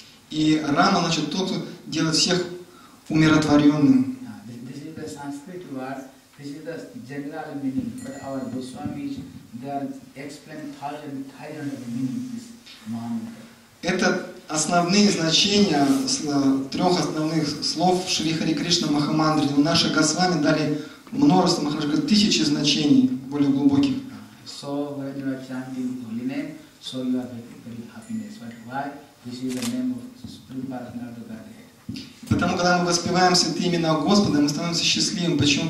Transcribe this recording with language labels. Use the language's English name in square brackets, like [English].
[Russian] И Рама, значит, тот, кто делает всех умиротворенным. [English] Sanskrit word, this is the general meaning, but our Goswamis, they are explained thousand of meaning this mantra. [Russian] Это основные значения трех основных слов в Шри Хари Кришна Махамандре. Наши Госвами дали множество, Махарадж говорит, тысячи значений более глубоких. [English] So when you are chanting holy name, so you are very happiness. But why? This is the name of Supreme Personality of Godhead. [Russian] Потому, когда мы воспеваем святые имена Господа, мы становимся счастливыми. Почему?